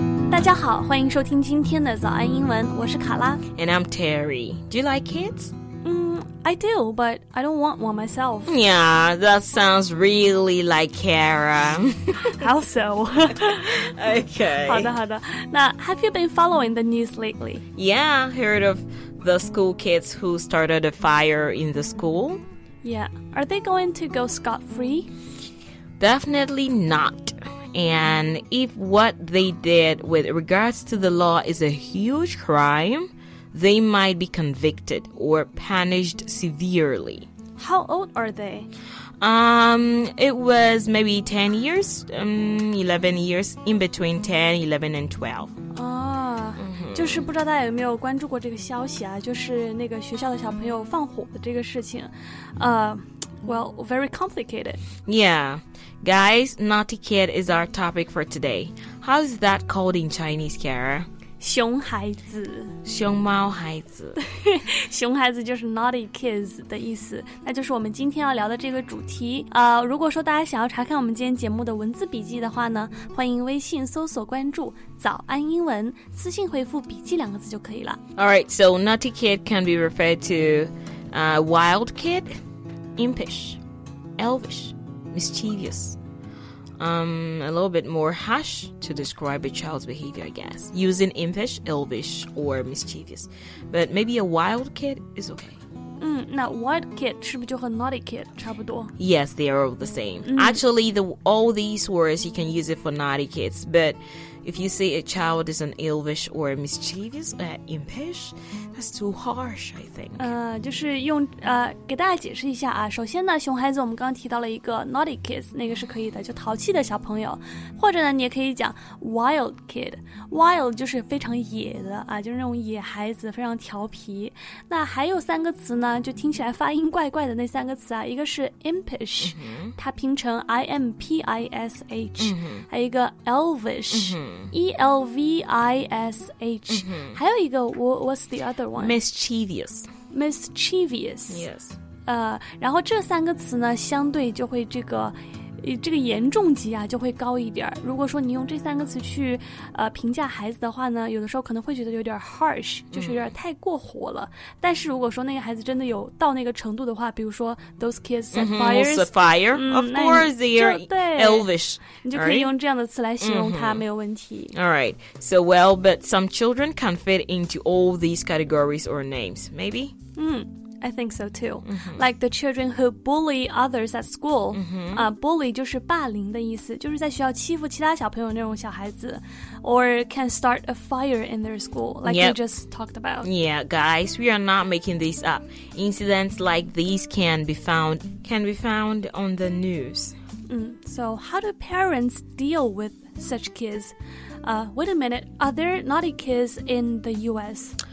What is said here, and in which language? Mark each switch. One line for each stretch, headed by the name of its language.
Chinese: 大家好，欢迎收听今天的早安英文，我是卡拉。
English: And I'm Terry. Do you like kids? I do, but I don't want one myself. Yeah, that sounds really like Kara. How so? Okay.
Chinese: 好的，好的。
English: 那 have you been following the news lately? Yeah, heard of the school kids who started a fire in the school? Yeah, are they going to go scot-free? Definitely not. And if what they did with regards to the law is a huge crime, they might be convicted or punished severely. How old are they? It was maybe 10 years, 11 years, in between 10, 11 and 12.
Chinese: 就是不知道大家有没有关注过这个消息啊，就是那个学校的小朋友放火的这个事情。
English: Well, very complicated. Yeah. Guys, naughty kid is our topic for today. How is that called in Chinese, Kara?
Chinese: 熊孩子。熊猫孩子。熊孩子就是 naughty kids 的意思。那就是我们今天要聊的这个主题。如果说大家想要查看我们今天节目的文字笔记的话呢，欢迎微信搜索关注早安英文，私信回复笔记两个字就可以了。
English: All right, so naughty kid can be referred to wild kid. Impish, elvish, mischievous, a little bit more harsh to describe a child's behavior, I guess. Using impish, elvish, or mischievous. But maybe a wild kid is okay.
Chinese: Now, wild kid 是不是就和 naughty kid 差不多?
English: Yes, they are all the same. Actually, all these words, you can use it for naughty kids. But if you say a child is an elvish or a mischievous, impish, that's too harsh, I think.
Chinese: 就是用给大家解释一下啊。首先呢，熊孩子我们刚刚提到了一个 naughty kids, 那个是可以的，就淘气的小朋友。或者呢，你也可以讲 wild kid. Wild 就是非常野的啊，就是那种野孩子，非常调皮。那还有三个词呢，就听起来发音怪怪的那三个词啊，一个是 impish,、mm-hmm. 它拼成 impish,、mm-hmm. 还有一个 elvish,、mm-hmm. E-L-V-I-S-H、mm-hmm. 还有一个
English: What's the other one? Mischievous Yes
Chinese: 然后这三个词呢相对就会这个严重级啊就会高一点如果说你用这三个词去评价孩子的话呢有的时候可能会觉得有点 harsh 就是有点太过火了、mm-hmm. 但是如果说那个孩子真的有到那个程度的话比如说
English: Those kids set fires、 mm-hmm. fire. Of course they are elvish
Chinese: 你就可以用这样的词来形容他、mm-hmm. 没有问题
English: Alright so well but some children can fit into all these categories or names maybe I think so too.、Mm-hmm. Like the children who bully others at school.、Mm-hmm.
Chinese: Bully 就是霸凌的意思，就是在学校欺负其他小朋友那种小孩子。
English: Or can start a fire in their school, like、yep. we just talked about. Yeah, guys, we are not making this up. Incidents like these can be found on the news.、 So how do parents deal with such kids?、wait a minute, are there naughty kids in the U.S.?